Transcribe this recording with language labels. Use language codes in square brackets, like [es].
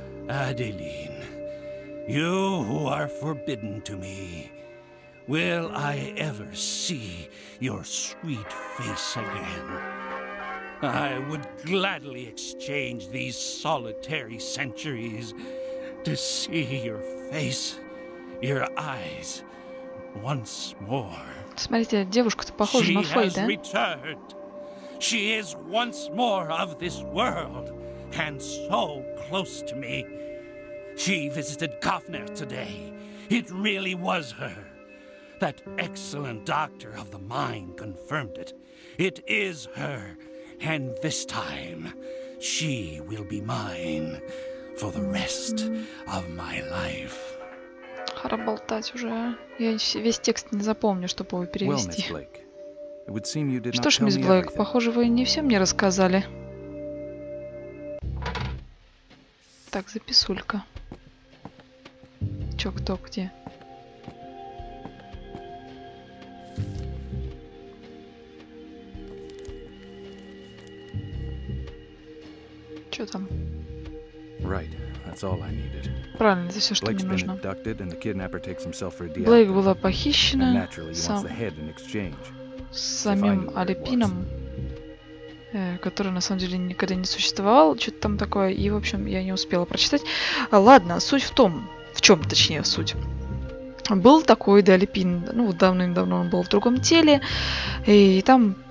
[en] Adeline, you who are forbidden to me, will I ever see your sweet face again? I would gladly exchange these solitary centuries to see your face, your eyes, once more. [ru] Смотрите, девушка-то похожа на Фей, да? [en] She has returned. She is once more of this world, and so close to me. She visited Kafner today. It really was her. That excellent doctor of the mine confirmed it. It is her. And this time, she will be mine for the rest of my life. [ru] Хара болтать уже. Я весь текст не запомню, чтобы его перевести. [en] Well, Miss Blake, it would seem you did not tell me everything. [ru] Что ж, мисс Блэк, похоже, вы не все мне рассказали. Так, записулька. Чё, кто, где? Что там? [en] Right. That's all I needed. [ru] Правильно, это всё, что [en] Blake's [ru] мне нужно. [en] Been abducted, and the kidnapper takes himself for a deal. [ru] Блейк была похищена. [en] And naturally, he wants the head in exchange. [ru] С самим Алипином, который на самом деле никогда не существовал, что-то там такое. И в общем, я не успела прочитать. Ладно, суть в том, в чем, точнее, суть. Был такой Алипин, ну давным-давно он был в другом теле, и там.